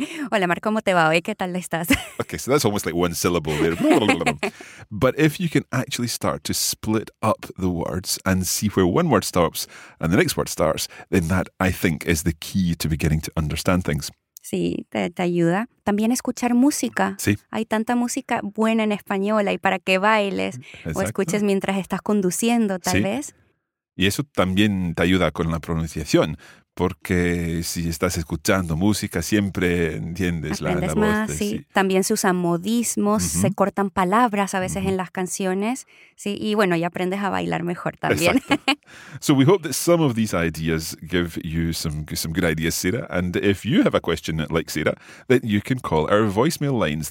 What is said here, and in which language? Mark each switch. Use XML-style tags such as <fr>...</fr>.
<es>Hola, Mar, ¿cómo te va hoy? ¿Qué tal estás?</es> <en>Okay, so that's almost like one syllable there. But if you can actually start to split up the words and see where one word stops and the next word starts, then that, I think, is the key to beginning to understand things.</en> <es>Sí, te ayuda. También escuchar música. Sí. Hay tanta música buena en español, hay para que bailes. Exacto. O escuches mientras estás conduciendo, tal sí. vez. Y eso también te ayuda con la pronunciación, porque si estás escuchando música siempre entiendes aprendes más, voz. De, sí. También se usan modismos, uh-huh. se cortan palabras a veces uh-huh. en las canciones. Sí. Y bueno, ya aprendes a bailar mejor también.</es> <en>So we hope that some of these ideas give you some good ideas, Sarah. And if you have a question like Sarah, then you can call our voicemail lines.</en>